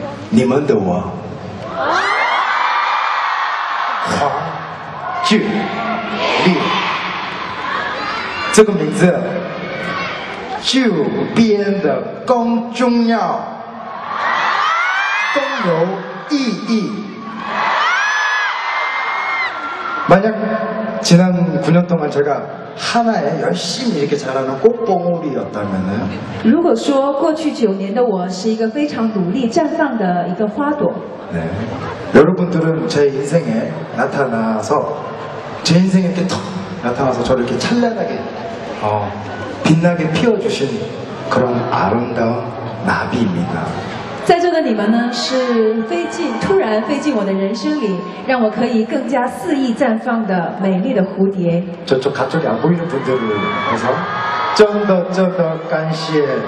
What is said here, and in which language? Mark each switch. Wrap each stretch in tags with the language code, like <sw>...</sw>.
<zh>你们的我，黄俊烈，这个名字就变得更重要，更有意义。</zh> <ko>만약 지난 9년 동안 제가 하나에 열심히 이렇게 자라는 꽃봉오리였다면은.</ko> <zh>如果说过去九年的我是一个非常努力绽放的一个花朵。</zh> <ko>네, 여러분들은 제 인생에 나타나서 제 인생에 이렇게 턱 나타나서 저를 이렇게 찬란하게 빛나게 피워주신 그런 아름다운 나비입니다.</ko> <zh>在座的你们呢是飞进突然飞进我的人生里让我可以更加肆意绽放的美丽的蝴蝶</zh> <ko>저쪽 가족이 안 보이는 분들을 위해서 좀더 간시에</ko>